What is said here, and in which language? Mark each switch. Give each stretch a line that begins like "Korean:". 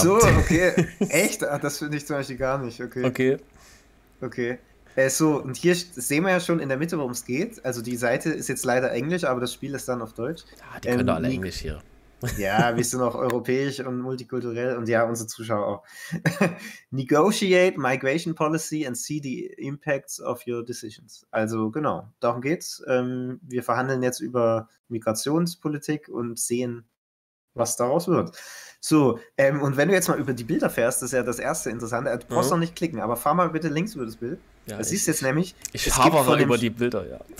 German: so, okay. Echt? Ach, das finde ich zum Beispiel gar nicht. Okay. Okay. Okay. So, und hier sehen wir ja schon in der Mitte, worum es geht. Also die Seite ist jetzt leider Englisch, aber das Spiel ist dann auf Deutsch. Die können doch alle Englisch hier. Ja, wir sind auch europäisch und multikulturell und ja, unsere Zuschauer auch.
English: Negotiate Migration Policy and see the impacts of your decisions.
German: Also genau, darum geht's. Wir verhandeln jetzt über Migrationspolitik und sehen, was daraus wird. So, und wenn du jetzt mal über die Bilder fährst, das ist ja das erste Interessante, du brauchst noch nicht klicken, aber fahr mal bitte links über das Bild. Ja, Du siehst jetzt nämlich, ich es gibt von hovere dem, über die Bilder, ja.